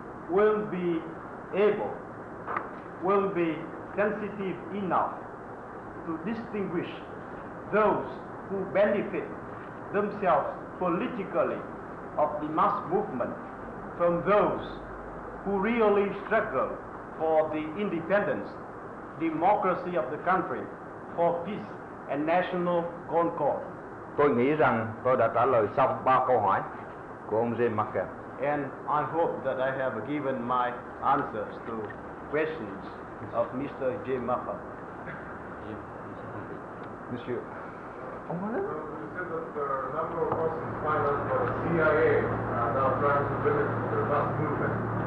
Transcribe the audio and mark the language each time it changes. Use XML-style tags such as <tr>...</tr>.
<en>will be sensitive enough to distinguish those who benefit themselves politically of the mass movement from those who really struggle for the independence, democracy of the country, for peace and national concord.</en> <vi>Tôi nghĩ rằng tôi đã trả lời xong ba câu hỏi của ông James Markham.</vi> <en>And I hope that I have given my answers to questions of Mr. J. Maffa.</en> <fr>Monsieur.</fr> <en>You said that there are a number of persons pilots for the CIA are now trying to limit the mass movement.</en>